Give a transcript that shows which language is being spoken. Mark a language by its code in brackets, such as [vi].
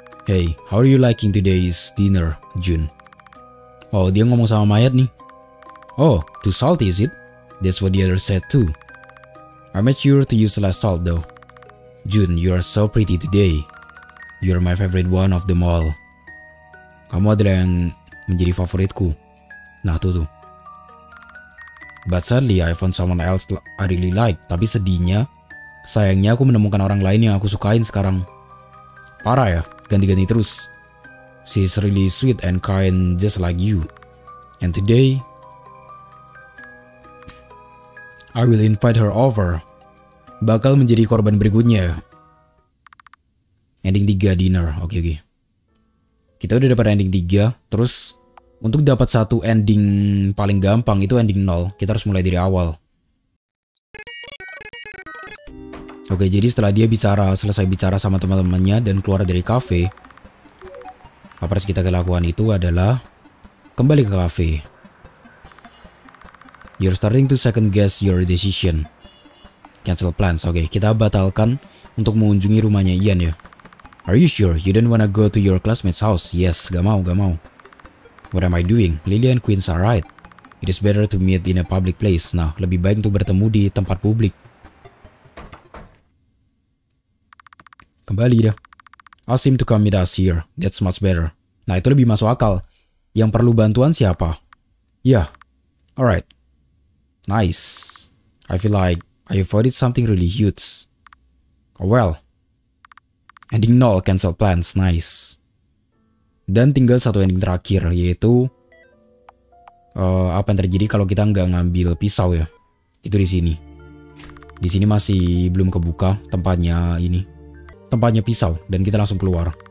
[en] Hey, how are you liking today's dinner, Jun? [id] Oh, dia ngomong sama mayat nih. [en] Oh, too salty is it? That's what the other said too. I made sure to use less salt though. Jun, you are so pretty today. You are my favorite one of them all. [id] Kamu adalah yang menjadi favoritku. Nah, tuh. [en] But sadly, I found someone else I really like. [id] Tapi sedihnya, sayangnya aku menemukan orang lain yang aku sukain sekarang. Parah ya, ganti-ganti terus. [en] She's really sweet and kind just like you. And today, I will invite her over. [id] Bakal menjadi korban berikutnya. Ending 3 dinner, oke. Kita udah dapat ending 3, terus untuk dapat satu ending paling gampang itu ending 0. Kita harus mulai dari awal. Oke, jadi setelah dia selesai bicara sama teman-temannya dan keluar dari kafe, apa yang kita lakukan itu adalah kembali ke kafe. [en] You're starting to second guess your decision. Cancel plans. [id] Oke, kita batalkan untuk mengunjungi rumahnya Ian ya. [en] Are you sure you don't wanna go to your classmate's house? Yes, [id] gak mau. [en] What am I doing? Lilian Queens are right. It is better to meet in a public place. [id] Nah, lebih baik untuk bertemu di tempat publik. Kembali dah. [en] Ask him to come meet us here. That's much better. [id] Nah, itu lebih masuk akal. Yang perlu bantuan siapa? Yeah. Alright. Nice. [en] I feel like I avoided something really huge. Oh well. Ending 0, cancel plans. Nice. [id] Dan tinggal satu ending terakhir, yaitu apa yang terjadi kalau kita nggak ngambil pisau ya. Itu di sini. Di sini masih belum kebuka tempatnya ini. Tempatnya pisau, dan kita langsung keluar.